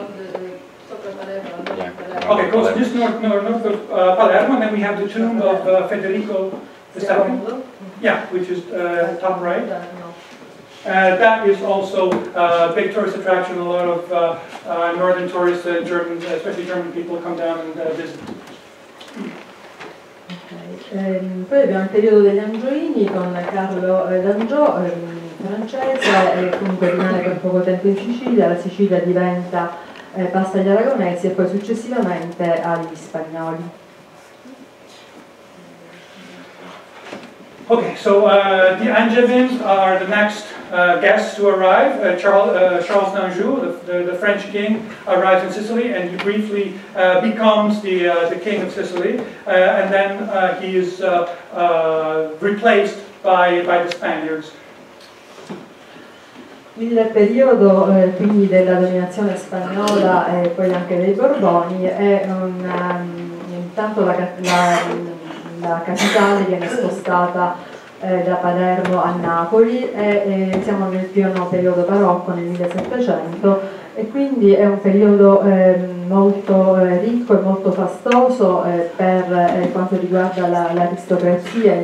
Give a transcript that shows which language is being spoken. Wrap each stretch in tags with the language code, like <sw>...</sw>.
<en>okay, close, just north of Palermo, and then we have the tomb of Federico II, yeah, which is top right. That is also a big tourist attraction. A lot of northern tourists, Germans, especially German people, come down and visit. Okay.</en> <it>Poi abbiamo il periodo degli Angioini con Carlo d'Angio, francese, e comunque rimane per poco tempo in Sicilia. La Sicilia diventa passa agli aragonesi e poi successivamente agli spagnoli.</it> <en>Okay, so the Angevins are the next guests to arrive. Charles d'Anjou, the French king, arrives in Sicily and he briefly becomes the king of Sicily, and then he is replaced by the Spaniards.</en> <it>Il periodo quindi della dominazione spagnola e poi anche dei Borboni è intanto la capitale viene spostata da Palermo a Napoli e siamo nel pieno periodo barocco nel 1700 e quindi è un periodo molto ricco e molto fastoso per quanto riguarda l'aristocrazia.</it>